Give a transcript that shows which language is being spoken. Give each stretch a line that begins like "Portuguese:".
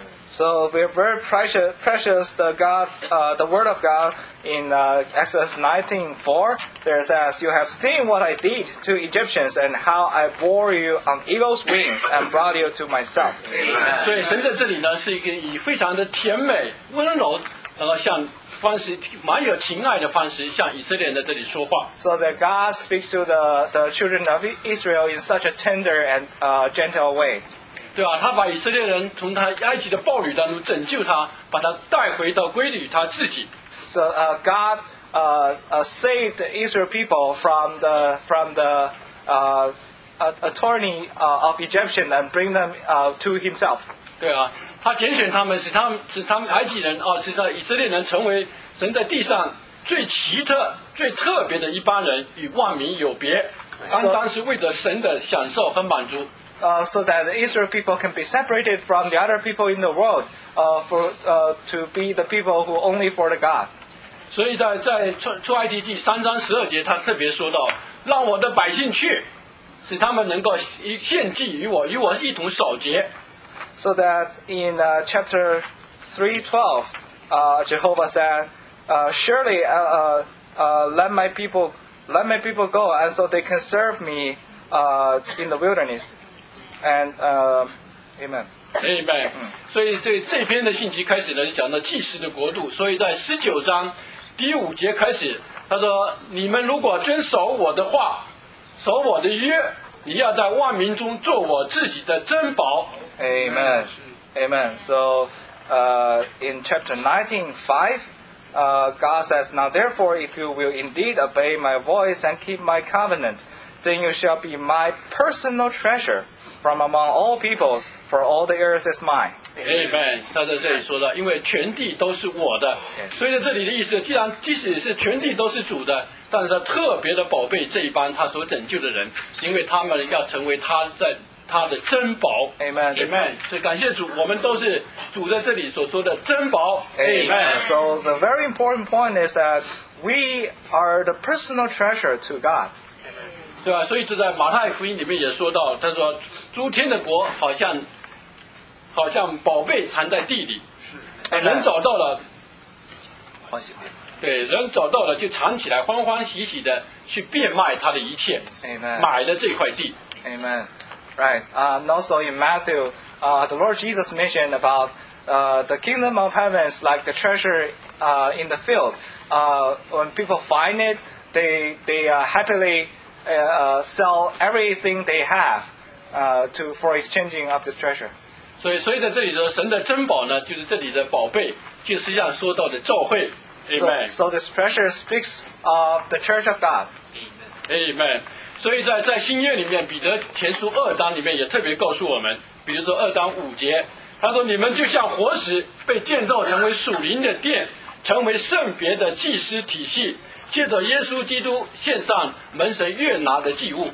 English: So we are very precious the God, the word of God in Exodus 19:4. There says, "You have seen what I did to Egyptians and how I bore you on eagle's wings and brought you to myself." Amen.
Chinese: 所以神在这里呢是一个以非常的甜美温柔然后像方式蛮有情爱的方式向以色列人在这里说话。
English: So that God speaks to the children of Israel in such a tender and gentle way.
Chinese: 对啊，他把以色列人从他埃及的暴雨当中拯救他，把他带回到归于他自己。
English: So God saved the Israel people from the attorney of Egyptian and bring them to himself.
Chinese: 对啊。他拣选他们，使他们埃及人啊，使他以色列人成为神在地上最奇特、最特别的一般人，与万民有别，单单是为着神的享受和满足。
English: So that the Israel people can be separated from the other people in the world, to be the people who only for the God.
Chinese: 所以在出埃及记3:12，他特别说到：“让我的百姓去，使他们能够献祭于我，与我一同守节。”
English: So that in chapter 3:12, Jehovah said, "Surely, let my people go, and so they can serve me in the wilderness." And amen. Amen.
Chinese: 所以这篇的信息开始呢，就讲到祭司的国度。所以在19:5开始，他说：“你们如果遵守我的话，守我的约，你要在万民中做我自己的珍宝。”
English: Amen. Amen. So in chapter 19:5, God says, "Now therefore, if you will indeed obey my voice and keep my covenant, then you shall be my personal treasure from among all peoples, for all the earth is mine." Amen.
Chinese: 他在这里说的，因为全地都是我的，所以在这里的意思，即使是全地都是主的，但是特别的宝贝这一帮他所拯救的人，因为他们要成为他在他的珍宝
English: ，Amen，Amen， Amen.
Chinese: 是感谢主，我们都是主在这里所说的珍宝
English: Amen. ，Amen。 So the very important point is that we are the personal treasure to God，
Chinese: 对吧？所以就在马太福音里面也说到，他说：“诸天的国好像宝贝藏在地里，是人找到了，欢喜欢。” 对，人找到了就藏起来，欢欢喜喜的去变卖他的一切
English: ，Amen，
Chinese: 买了这块地
English: ，Amen。 Right. And also in Matthew, the Lord Jesus mentioned about the kingdom of heaven is like the treasure in the field. When people find it, they happily sell everything they have for exchanging of this treasure.
Chinese: 所以在这里说，神的珍宝呢，就是这里的宝贝，就是像说到的教会。
English: Amen. So this treasure speaks of the church of God. Amen.
Chinese: 所以在新约里面，彼得前书2里面也特别告诉我们，比如说2:5，他说：“你们就像活石，被建造成为属灵的殿，成为圣别的祭司体系，借着耶稣基督献上蒙神悦纳的祭物。”